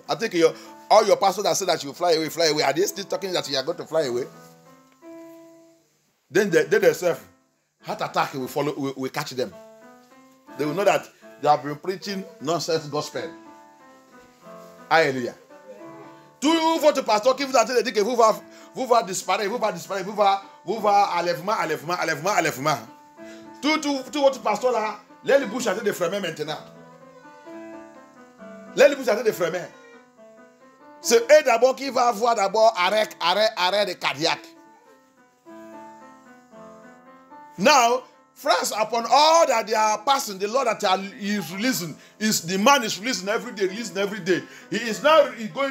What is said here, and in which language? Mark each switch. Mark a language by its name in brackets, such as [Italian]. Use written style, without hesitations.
[English] I think all your pastors that say that you fly away, are they still talking that you are going to fly away? Then they themselves, heart attack will catch them. They will know that they have been preaching nonsense gospel. Hallelujah. [French] Tu ouvres ton pasteur qui vous a dit que vous va disparaître, vous va enlèvement. Tout votre pasteur là, laisse les bouches de fermer maintenant. Laisse les bouches de fermer. C'est eux d'abord qui va avoir d'abord arrêt de cardiaque. [English] Now, friends, upon all that they are passing, the Lord that is releasing every day.